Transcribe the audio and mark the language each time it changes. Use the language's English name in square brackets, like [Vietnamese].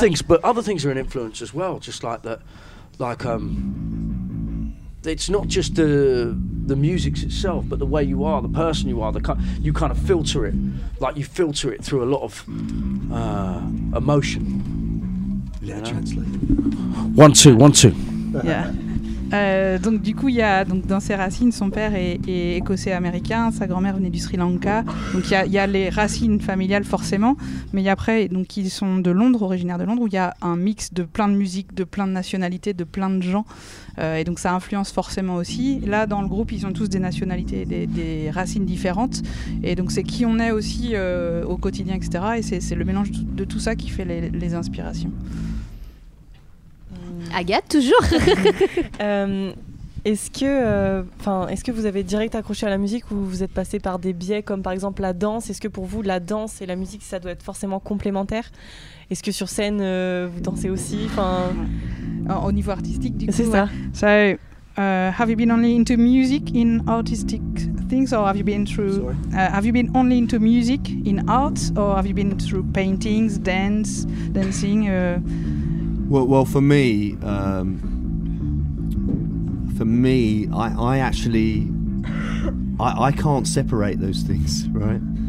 [English] Things, but other things are an influence as well, just like that, like it's not just the music itself, but the way you are, the person you are, you kind of filter it, like you filter it through a lot of emotion. Yeah, you know? Translate. One, two, one, two. Yeah. [French] Donc du coup, il y a donc dans ses racines, son père est écossais-américain, sa grand-mère venait du Sri Lanka. Donc il y a les racines familiales forcément, mais après, donc ils sont de Londres, originaires de Londres, où il y a un mix de plein de musiques, de plein de nationalités, de plein de gens. Et donc ça influence forcément aussi. Là, dans le groupe, ils ont tous des nationalités, des racines différentes. Et donc c'est qui on est aussi au quotidien, etc. Et c'est le mélange de tout ça qui fait les inspirations. Agathe, toujours. est-ce que vous avez direct accroché à la musique ou vous êtes passé par des biais comme par exemple la danse? Est-ce que pour vous la danse et la musique ça doit être forcément complémentaire? Est-ce que sur scène vous dansez aussi? Enfin, au niveau artistique, du coup. C'est ça. Ouais. [English] So, have you been only into music in artistic things or have you been through? Have you been only into music in art or have you been through paintings, dancing? Well, for me, I can't separate those things, right?